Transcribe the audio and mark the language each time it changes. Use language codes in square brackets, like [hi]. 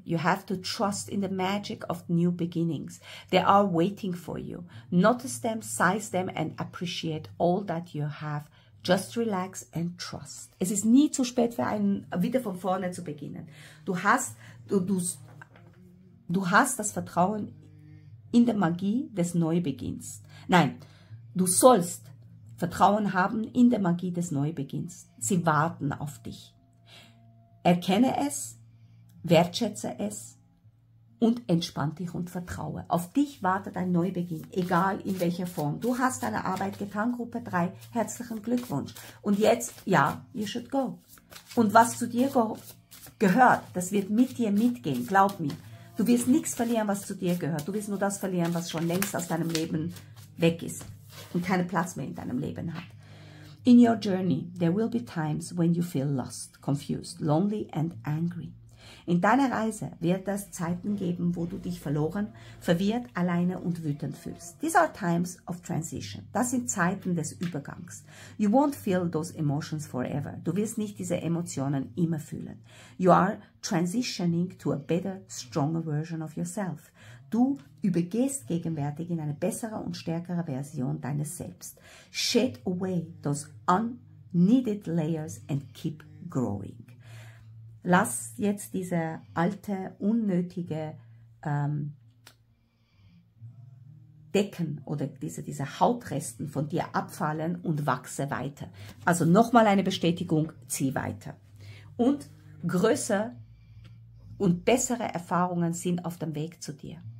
[en] You have to trust in the magic of new beginnings. They are waiting for you. Notice them, size them and appreciate all that you have. Just relax and trust. [de] Es ist nie zu spät für einen, wieder von vorne zu beginnen. Du hast das Vertrauen in die Magie des Neubeginns. Nein, du sollst Vertrauen haben in die Magie des Neubeginns. Sie warten auf dich. Erkenne es, wertschätze es und entspann dich und vertraue. Auf dich wartet ein Neubeginn, egal in welcher Form. Du hast deine Arbeit getan, Gruppe 3. Herzlichen Glückwunsch. Und jetzt, ja, [en] you should go. [de] Und was zu dir gehört, das wird mit dir mitgehen. Glaub mir, du wirst nichts verlieren, was zu dir gehört. Du wirst nur das verlieren, was schon längst aus deinem Leben weg ist und keinen Platz mehr in deinem Leben hat. [en] In your journey, there will be times when you feel lost, confused, lonely and angry. [de] In deiner Reise wird es Zeiten geben, wo du dich verloren, verwirrt, alleine und wütend fühlst. [en] These are times of transition. [de] Das sind Zeiten des Übergangs. [en] You won't feel those emotions forever. [de] Du wirst nicht diese Emotionen immer fühlen. [en] You are transitioning to a better, stronger version of yourself. [de] Du übergehst gegenwärtig in eine bessere und stärkere Version deines Selbst. [en] Shed away those unneeded layers and keep growing. [de] Lass jetzt diese alte, unnötige Decken oder diese Hautresten von dir abfallen und wachse weiter. Also nochmal eine Bestätigung, zieh weiter. Und größere und bessere Erfahrungen sind auf dem Weg zu dir.